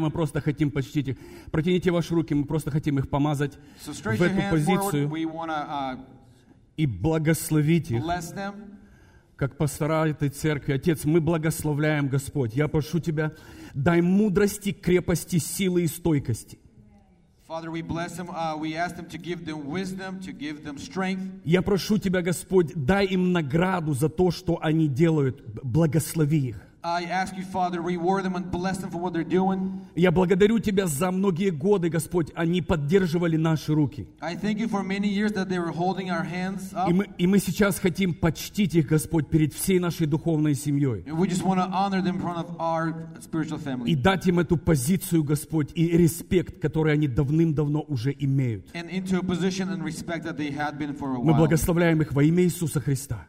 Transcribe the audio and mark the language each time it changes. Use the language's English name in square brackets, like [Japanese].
[Russian] Мы просто хотим почтить их. Протяните ваши руки. Мы просто хотим их помазать [English] so [Russian] в эту позицию [English] wanna, [Russian] и благословить их. [English] Bless them. [Russian] Как пастора этой церкви. Отец, мы благословляем, Господь. Я прошу Тебя, дай мудрости, крепости, силы и стойкости. [English] Father, we bless them. We ask them to give them wisdom, to give them strength. [Russian] Я прошу Тебя, Господь, дай им награду за то, что они делают. Благослови их. [English] I ask you, Father, reward them and bless them for what they're doing. [Russian] Я благодарю Тебя за многие годы, Господь, они поддерживали наши руки. [English] I thank you for many years that they were holding our hands up. [Russian] И мы сейчас хотим почтить их, Господь, перед всей нашей духовной семьей. [English] And we just want to honor them in front of our spiritual family. [Russian] И дать им эту позицию, Господь, и респект, который они давным-давно уже имеют. [English] And into a position and respect that they had been for a while. [Russian] Мы благословляем их во имя Иисуса Христа.